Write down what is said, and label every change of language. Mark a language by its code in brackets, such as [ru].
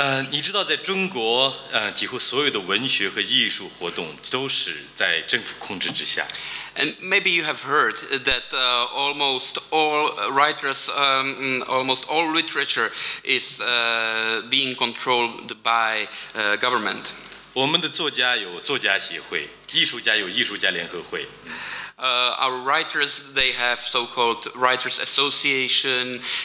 [zh] 你知道在中国, 几乎所有的文学和艺术活动都是在政府控制之下。 [en] And maybe you have heard that almost all writers, almost all literature is being controlled by government. [zh] 我们的作家有作家协会, 艺术家有艺术家联合会。 [en] Our writers, they have so-called writers' association.